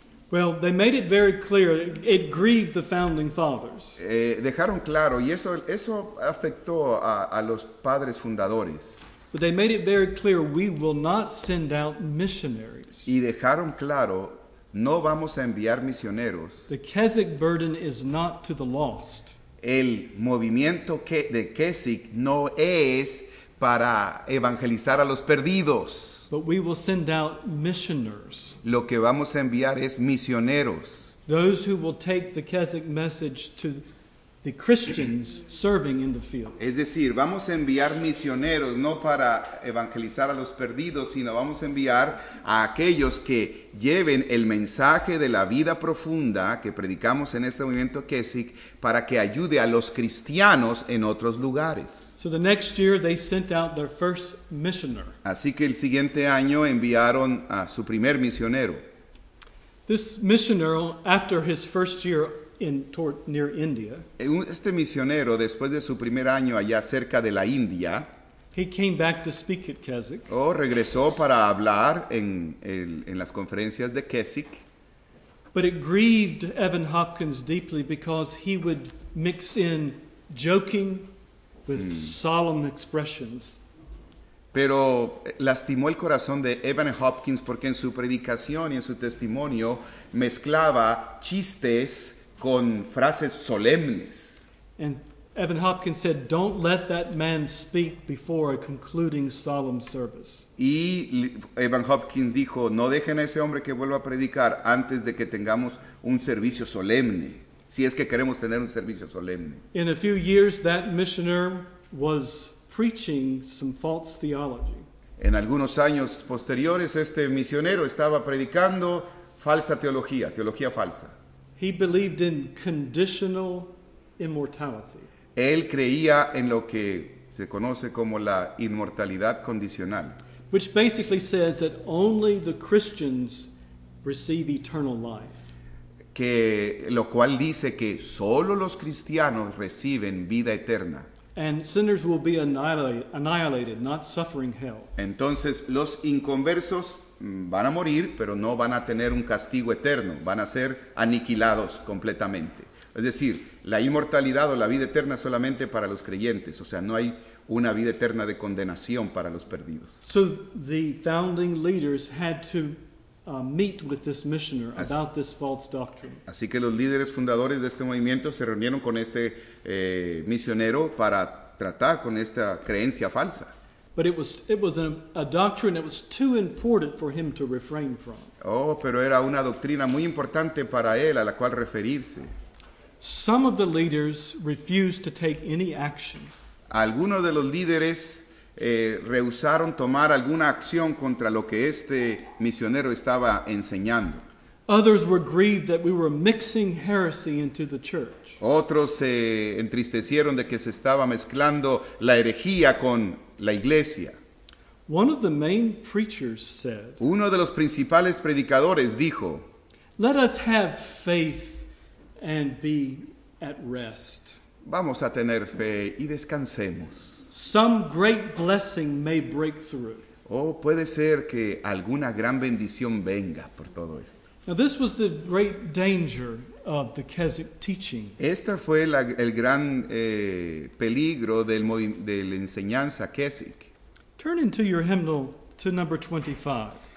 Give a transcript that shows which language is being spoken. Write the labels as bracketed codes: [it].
[en] Well, they made it very clear. It grieved the founding fathers. [es] Dejaron claro, y eso afectó a los padres fundadores. [en] But they made it very clear, we will not send out missionaries. [es] Y dejaron claro, no vamos a enviar misioneros. [en] The Keswick burden is not to the lost. [es] El movimiento de Keswick no es para evangelizar a los perdidos. [en] But we will send out missioners. [es] Lo que vamos a enviar es misioneros. [en] Those who will take the Keswick message to the Christians serving in the field. [es] Es decir, vamos a enviar misioneros no para evangelizar a los perdidos, sino vamos a enviar a aquellos que lleven el mensaje de la vida profunda que predicamos en este movimiento Keswick para que ayude a los cristianos en otros lugares. [en] So the next year they sent out their first missionary. [es] Así que el siguiente año enviaron a su primer misionero. [en] This missionary, after his first year, near India. [es] Este misionero, después de su primer año allá cerca de la India, [en] he came back to speak at Keswick. [es] Oh, regresó para hablar en las conferencias de Keswick. [en] But it grieved Evan Hopkins deeply because he would mix in joking with solemn expressions. [es] Pero lastimó el corazón de Evan Hopkins porque en su predicación y en su testimonio mezclaba chistes con frases solemnes. [en] And Evan Hopkins said, "Don't let that man speak before a concluding solemn service." [es] Y Evan Hopkins dijo, "No dejen a ese hombre que vuelva a predicar antes de que tengamos un servicio solemne, si es que queremos tener un servicio solemne." [en] In a few years, that missioner was preaching some false theology. [es] En algunos años posteriores, este misionero estaba predicando falsa teología, teología falsa. [en] He believed in conditional immortality. [es] Él creía en lo que se conoce como la inmortalidad condicional. [en] Which basically says that only the Christians receive eternal life. [es] Que lo cual dice que solo los cristianos reciben vida eterna. [en] And sinners will be annihilated, not suffering hell. [es] Entonces los inconversos van a morir, pero no van a tener un castigo eterno, van a ser aniquilados completamente. Es decir, la inmortalidad o la vida eterna solamente para los creyentes. O sea, no hay una vida eterna de condenación para los perdidos. [en] So the founding leaders had to meet with this missioner about this false doctrine. [es] Así que los líderes fundadores de este movimiento se reunieron con este misionero para tratar con esta creencia falsa. [en] But it was a doctrine that was too important for him to refrain from. [es] Oh, pero era una doctrina muy importante para él a la cual referirse. [en] Some of the leaders refused to take any action. [es] Algunos de los líderes rehusaron tomar alguna acción contra lo que este misionero estaba enseñando. [en] Others were grieved that we were mixing heresy into the church. [es] Otros se entristecieron de que se estaba mezclando la herejía con la iglesia. [en] One of the main preachers said, [es] uno de los principales predicadores dijo, [en] "Let us have faith and be at rest." [es] Vamos a tener fe y descansemos. [en] Some great blessing may break through. [es] Oh, puede ser que alguna gran bendición venga por todo esto. [en] Now this was the great danger of the Keswick teaching. [es] Esta fue el gran peligro de la enseñanza Keswick. [en] Turn into your hymnal to number 25.